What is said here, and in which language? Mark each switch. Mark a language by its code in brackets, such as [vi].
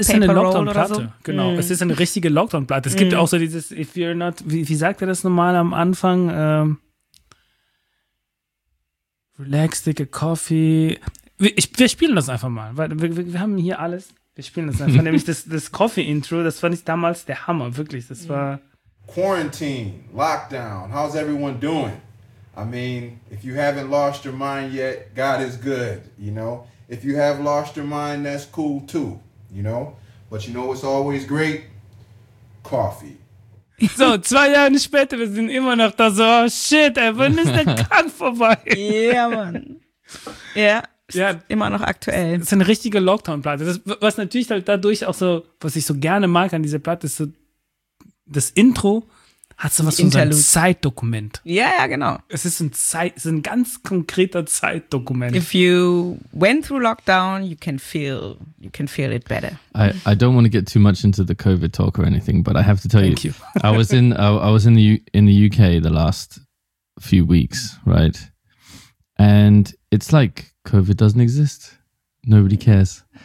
[de] Es ist eine Lockdown-Platte, genau. Es ist eine richtige Lockdown-Platte. Es gibt auch so dieses, [en] if you're not, [de] wie sagt er das nochmal am Anfang? [en] Relax, take a coffee. [de] Wir spielen das einfach mal, weil wir haben hier alles. Wir spielen das einfach. Nämlich das Coffee-Intro, das fand ich damals der Hammer, wirklich. Das war. [en] Quarantine, Lockdown, how's everyone doing? I mean, if you haven't lost your mind yet, God is good, you know? If you have lost your mind, that's cool too, you know? But you know what's always great? Coffee. [de] So, 2 Jahre später, wir sind immer noch da, so, [en] oh shit, [de] ey, wann ist der Kack vorbei? [en] Yeah, man. Yeah. [de] Ja, immer noch aktuell. Das ist eine richtige Lockdown-Platte. Was natürlich halt dadurch auch so, was ich so gerne mag an dieser Platte, ist so, das Intro hat so was von so einem Zeitdokument. Ja, ja, genau. Es ist ein ganz konkreter Zeitdokument. [en] If you went through lockdown, you can feel it better. I don't want to get too much into the COVID talk or anything, but I have to tell Thank you. I was in the UK the last few weeks, right? And it's like COVID doesn't exist. Nobody cares.